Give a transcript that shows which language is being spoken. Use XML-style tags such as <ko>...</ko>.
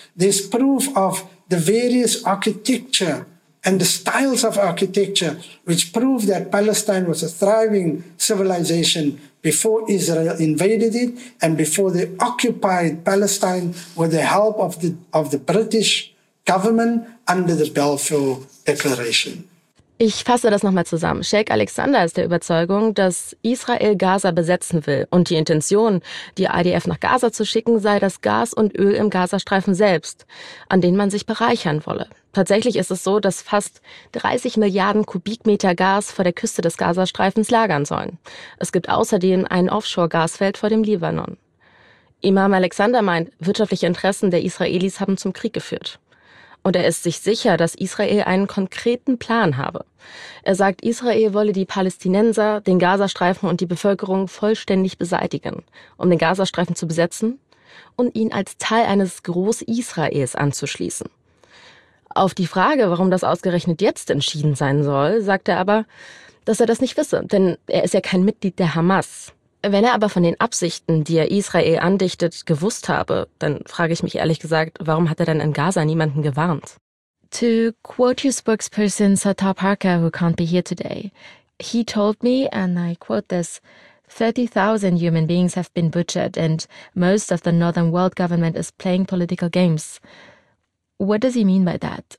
<en>There's proof of the various architecture and the styles of architecture, which prove that Palestine was a thriving civilization before Israel invaded it and before they occupied Palestine with the help of the British government under the Balfour Declaration.</en> <de>Ich fasse das nochmal zusammen. Sheikh Alexander ist der Überzeugung, dass Israel Gaza besetzen will und die Intention, die IDF nach Gaza zu schicken, sei das Gas und Öl im Gazastreifen selbst, an denen man sich bereichern wolle. Tatsächlich ist es so, dass fast 30 Milliarden Kubikmeter Gas vor der Küste des Gazastreifens lagern sollen. Es gibt außerdem ein Offshore-Gasfeld vor dem Libanon. Imam Alexander meint, wirtschaftliche Interessen der Israelis haben zum Krieg geführt. Und er ist sich sicher, dass Israel einen konkreten Plan habe. Er sagt, Israel wolle die Palästinenser, den Gazastreifen und die Bevölkerung vollständig beseitigen, um den Gazastreifen zu besetzen und ihn als Teil eines Groß-Israels anzuschließen. Auf die Frage, warum das ausgerechnet jetzt entschieden sein soll, sagt er aber, dass er das nicht wisse, denn er ist ja kein Mitglied der Hamas. Wenn er aber von den Absichten, die er Israel andichtet, gewusst habe, dann frage ich mich ehrlich gesagt, warum hat er dann in Gaza niemanden gewarnt?</de> <en>To quote your spokesperson Sattar Parker, who can't be here today, he told me, and I quote this, 30,000 human beings have been butchered and most of the northern world government is playing political games. What does he mean by that?</en>